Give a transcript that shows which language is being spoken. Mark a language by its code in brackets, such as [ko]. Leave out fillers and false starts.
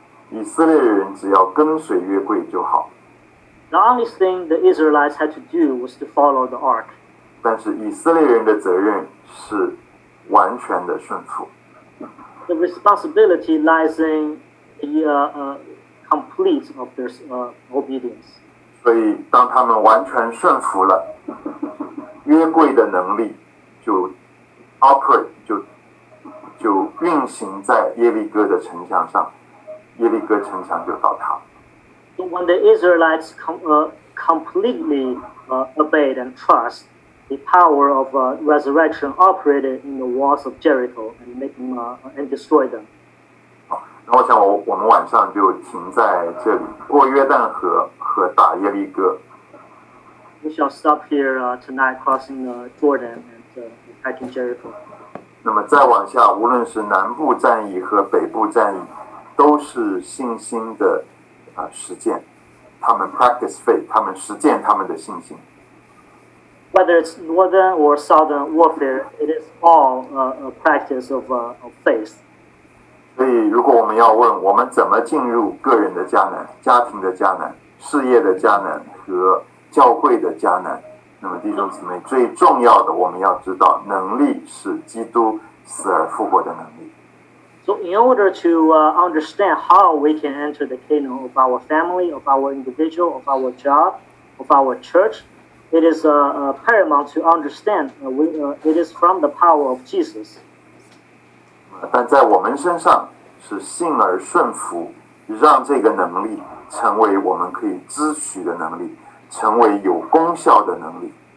[zh] 以色列人只要跟随约柜就好。 [en] The only thing the Israelites had to do was to follow the Ark. [zh] 但是以色列人的责任是完全的顺服。 [en] The responsibility lies in the complete of their obedience. [zh] 所以当他们完全顺服了，约柜的能力就 operate 就运行在耶利哥的城墙上，耶利哥城墙就倒塌。 [en] So when the Israelites completely obeyed and trust, the power of resurrection operated in the walls of Jericho and make them, and destroy them. [zh] 那我想我们晚上就停在这里，过约旦河和打耶利哥。 [en] We shall stop here tonight crossing the Jordan and attacking Jericho. [zh] 那么再往下，无论是南部战役和北部战役，都是信心的实践。他们 [en] practice faith， [zh] 他们实践他们的信心。 [en] Whether it's northern or southern warfare, it is all a practice of faith. [zh] 所以如果我们要问我们怎么进入个人的迦南、家庭的迦南、事业的迦南和教会的迦南，那么弟兄姊妹，最重要的我们要知道，能力是基督死而复活的能力。 [en] So in order to understand how we can enter the kingdom of our family, of our individual, of our job, of our church,It is paramount to understand. It is from the power of Jesus. [zh] 但在我们身上是信而顺服，让这个能力成为我们可以支取的能力，成为有功效的能力。